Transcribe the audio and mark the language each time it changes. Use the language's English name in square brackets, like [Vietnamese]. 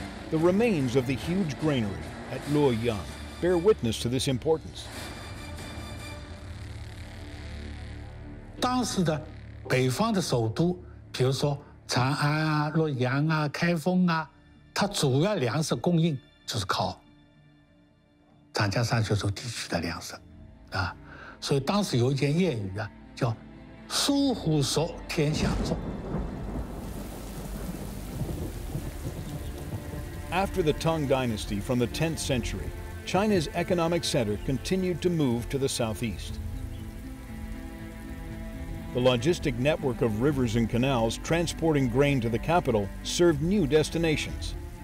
[English] The remains of the huge granary at Luoyang bear witness to this importance. [Chinese] 当时的北方的首都，比如说长安啊、洛阳啊、开封啊，它主要粮食供应就是靠长江上丘处地区的粮食，啊，所以当时有一件谚语啊，叫“苏湖熟，天下重”。 [English] After the Tang Dynasty from the 10th century, China's economic center continued to move to the southeast. The logistic network of rivers and canals transporting grain to the capital served new destinations.